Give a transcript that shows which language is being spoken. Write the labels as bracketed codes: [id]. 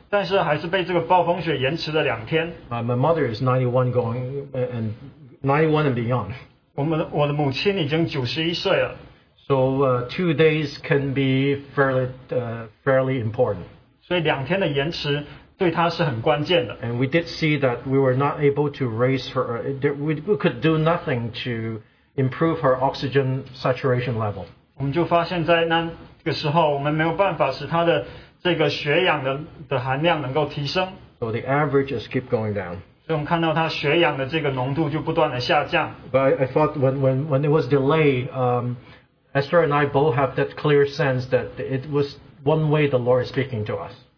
[zh] 但是还是被这个暴风雪延迟了两天。 [en] My mother is 91 going and 91 and beyond. [zh] 我的母亲已经91岁了。 [en] So 2 days can be fairly important. [zh] 所以两天的延迟对她是很关键的。 [en] And we did see that we were not able to raise her. We could do nothing to improve her oxygen saturation level. [zh] 我们就发现在那个时候，我们没有办法使她的这个血氧的含量能够提升。 [en] So the average is keep going down. [zh] 所以我们看到他血氧的这个浓度就不断的下降。 [en] But I thought when it was delayed, Esther and I both have that clear sense that it was one way the Lord is speaking to us.